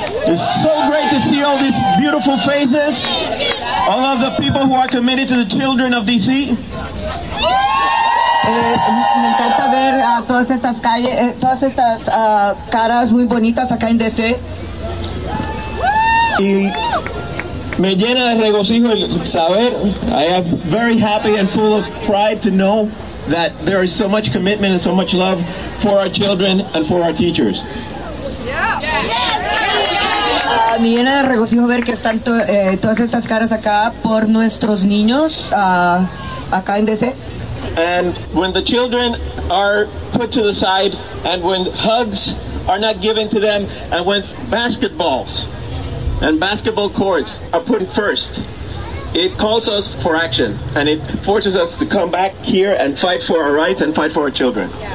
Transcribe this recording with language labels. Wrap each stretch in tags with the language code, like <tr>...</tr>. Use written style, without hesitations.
<en>It's so great to see all these beautiful faces, all of the people who are committed to the children of D.C.</en> <es>Me encanta ver todas estas calles, todas estas caras muy bonitas acá en DC. Y me llena de regocijo el saber.</es> <en>I am very happy and full of pride to know that there is so much commitment and so much love for our children and for our teachers.</en> <es>Me llena de regocijo ver que están todas estas caras acá por nuestros niños acá en DC.</es> <en>And when the children are put to the side, and when hugs are not given to them, and when basketballs and basketball courts are put first, it calls us for action, and it forces us to come back here and fight for our rights and fight for our children.</en>